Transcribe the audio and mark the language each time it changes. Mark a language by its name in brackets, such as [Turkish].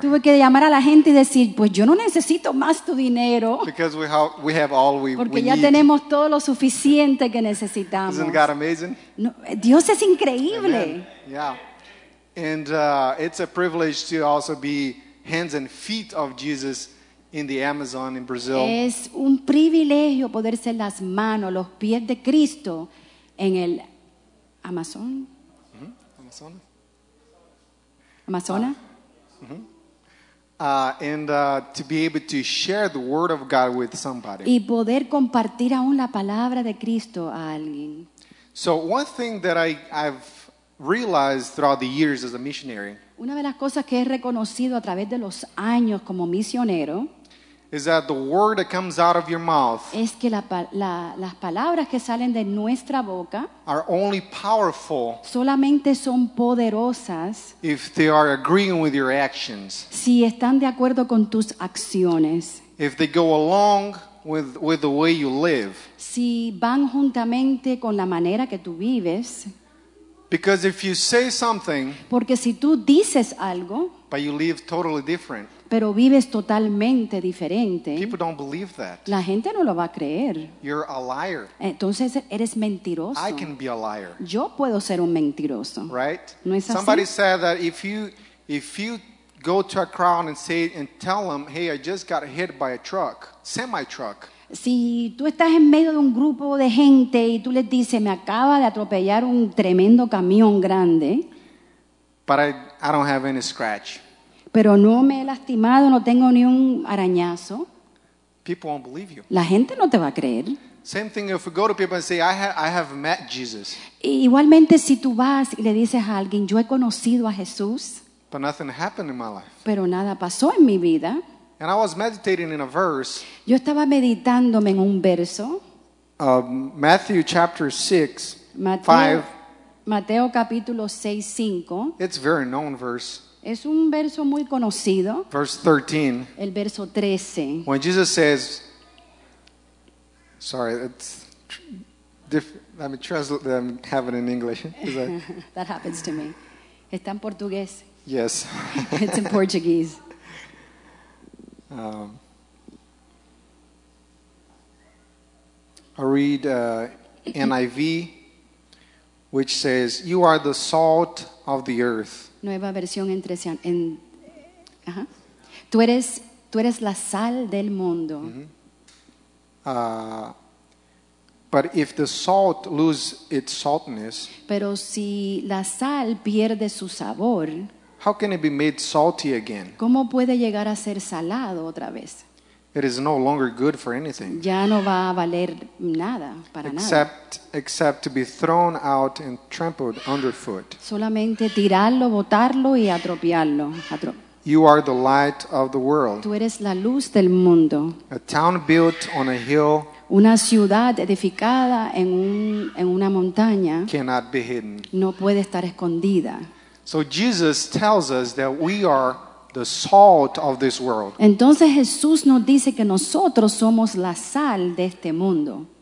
[Spanish] Tuve que llamar a la gente y decir, pues yo no necesito más tu dinero. [English] Because we have all we need. [Spanish] Porque ya tenemos todo lo suficiente que necesitamos. [English] Isn't God amazing? [Spanish] No, Dios es increíble. [English] Amen. Yeah. And it's a privilege to also be hands and feet of Jesus in the Amazon in Brazil. [Spanish] Es un privilegio poder ser las manos, los pies de Cristo en el Amazon. Mm-hmm. Amazonas. [English] To be able to share the word of God with somebody. [Spanish] Y poder compartir aún la palabra de Cristo a alguien. [English] So one thing that I've realized throughout the years as a missionary. [Spanish] Una de las cosas que he reconocido a través de los años como misionero. [English] Is that the word that comes out of your mouth? [Spanish] Es que las palabras que salen de nuestra boca [English] are only powerful. [Spanish] Solamente son poderosas [English] if they are agreeing with your actions. [Spanish] Si están de acuerdo con tus acciones. [English] If they go along with the way you live. [Spanish] Si van juntamente con la manera que tú vives. [English] Because if you say something, [Spanish] porque si tú dices algo, [English] but you live totally different. [Spanish] Pero vives totalmente diferente. [English] People don't believe that. [Spanish] La gente no lo va a creer. [English] You're a liar. [Spanish] Entonces eres mentiroso. [English] I can be a liar. [Spanish] Yo puedo ser un mentiroso. [English] Right? [Spanish] ¿No es así? [English] Somebody said that if you go to a crowd and say and tell them, hey, I just got hit by a truck, semi truck. [Spanish] Si tú estás en medio de un grupo de gente y tú les dices, me acaba de atropellar un tremendo camión grande. [English] But I don't have any scratch. [Spanish] Pero no me he lastimado, no tengo ni un arañazo. [English] People won't believe you. [Spanish] La gente no te va a creer. [English] Same thing if we go to people and say, I have met Jesus. [Spanish] Y igualmente si tú vas y le dices a alguien, yo he conocido a Jesús. [English] But nothing happened in my life. [Spanish] Pero nada pasó en mi vida. [English] And I was meditating in a verse. [Spanish] Yo estaba meditándome en un verso. [English] Matthew chapter 6, [Spanish] Mateo, 5. Mateo capítulo 6, 5. [English] It's a very known verse. [Spanish] Es un verso muy conocido. [English] Verse 13. [Spanish] El verso 13. [English] When Jesus says, sorry, it's different. Let me translate them, have it in English. That happens to me. [Spanish] Está en portugués. [English] Yes. It's in Portuguese. I read NIV, which says, you are the salt of the earth. [Spanish] Nueva versión entre tú eres la sal del mundo. [English] Mm-hmm. But if the salt loses its saltiness, [Spanish] pero si la sal pierde su sabor, [English] how can it be made salty again? [Spanish] ¿Cómo puede llegar a ser salado otra vez? [English] It is no longer good for anything. [Spanish] Ya no va a valer nada para [English] except to be thrown out and trampled underfoot. [Spanish] Solamente tirarlo, botarlo y atropellarlo. [English] You are the light of the world. [Spanish] Tú eres la luz del mundo. [English] A town built on a hill. [Spanish] Una ciudad edificada en una montaña. [English] Cannot be hidden. [Spanish] No puede estar escondida. [English] So Jesus tells us that we are the salt of this world. [Spanish] Entonces Jesús nos dice que nosotros somos la sal de este mundo.